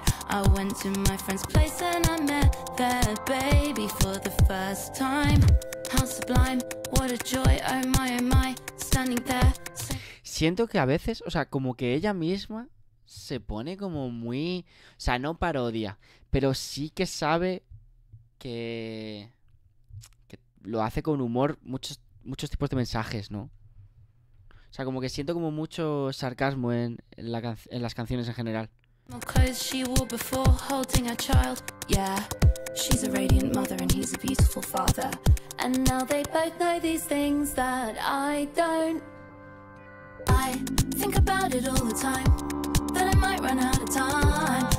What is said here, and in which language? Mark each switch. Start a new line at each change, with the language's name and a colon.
English: I went to my friend's place and I met their baby for the first time. How sublime, what a joy, oh my, standing there.
Spanish: Siento que a veces, o sea, como que ella misma se pone como muy. O sea, no parodia, pero sí que sabe que. Que lo hace con humor muchos, muchos tipos de mensajes, ¿no? O sea, como que siento como mucho sarcasmo en las canciones en general.
English: Clothes she wore before holding her child. Yeah, she's a radiant mother and he's a beautiful father. And now they both know these things that I don't. I think about it all the time. That I might run out of time.